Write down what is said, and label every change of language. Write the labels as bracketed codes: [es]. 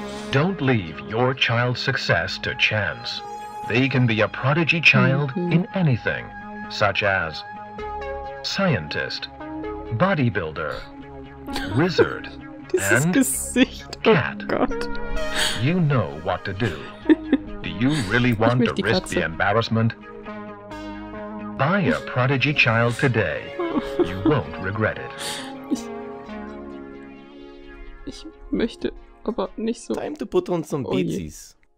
[en] Don't leave your child's success to chance. They can be a prodigy child in anything, such as scientist, bodybuilder, wizard, and cat. You know what to do. Do you really want to risk the embarrassment? Buy a prodigy child today. You won't regret it. [de] Ich möchte aber nicht so. [en] Time to put on some beatsies.